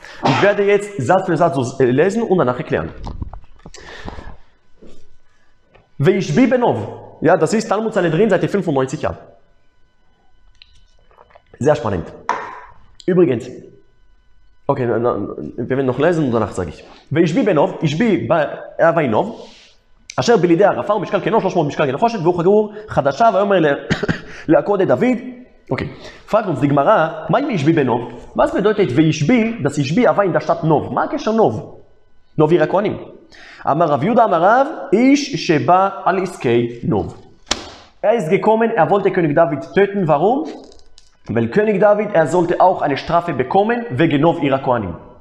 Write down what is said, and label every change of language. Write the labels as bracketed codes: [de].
[de] Ich werde jetzt Satz für Satz lesen und danach erklären. Ve'ishbi benov. Ja, das ist Talmud seine drin, Seite 95 Jahre. Sehr spannend. Übrigens, okay, wir werden noch lesen und danach sage ich. [he] וישבי בנוב, ישבי בנוב, אשר בלידי ערפה ומשקל כנו, 300 משקל כנו חושת, והוא חגור חדשה, ואומר להכות את דוד. [de] Okay, fragt uns die Gemara, [he] מה עם ישבי בנוב? [de] Was bedeutet וישבי, das ישבי הווה in der Stadt נוב? [he] מה הקשר נוב? נוב עיר הכהנים. אמר רב יהודה אמר רב, איש שבא על עסקי נוב. [de] Er ist gekommen, er wollte König David töten, warum? Weil König David, er sollte auch eine Strafe bekommen wegen Nov Ira Kohanim.